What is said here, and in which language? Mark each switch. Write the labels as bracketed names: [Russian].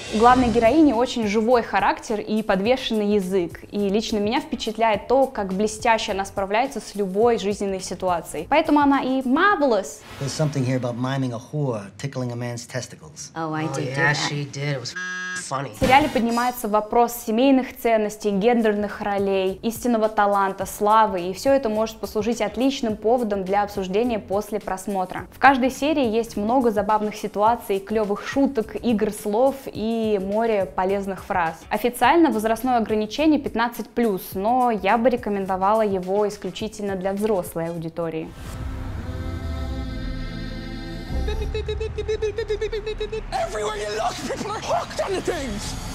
[Russian] У главной героини очень живой характер и подвешенный язык. И лично меня впечатляет то, как блестяще она справляется с любой жизненной ситуацией. Поэтому она и marvelous. [English] There's something here about miming a whore, tickling a man's testicles. Oh, I did. Oh, yeah, do that. She did. It was funny. [Russian] В сериале поднимается вопрос семейных ценностей, гендерных ролей, истинного таланта, славы, и все это может послужить отличным поводом для обсуждения после просмотра. В каждой серии есть много забавных ситуаций, клевых шуток, игр слов и море полезных фраз. Официально возрастное ограничение 15+, но я бы рекомендовала его исключительно для взрослой аудитории. [English] Everywhere you look, people are hooked on the things!